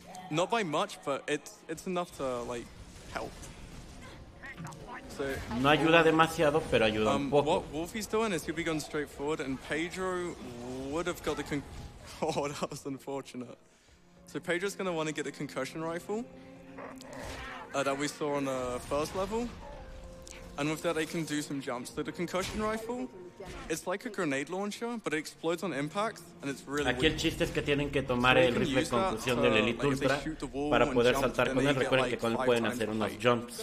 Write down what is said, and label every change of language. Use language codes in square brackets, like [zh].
[en] Not by much, but it's enough to, like, help. [es] So, no ayuda demasiado, pero ayuda un poco. [en] What Wolfie's doing is he'll be going straight forward, and Pedro would have got the... Oh, that was unfortunate. So Pedro's going to want to get a concussion rifle that we saw on the first level. And with that, they can do some jumps. So the concussion rifle, it's like a grenade launcher, but it explodes on impact, and it's really [es] aquí weak. El chiste es que tienen que tomar so el rifle de conclusión del Elite Ultra para poder saltar con él. Recuerden que con él pueden hacer unos jumps.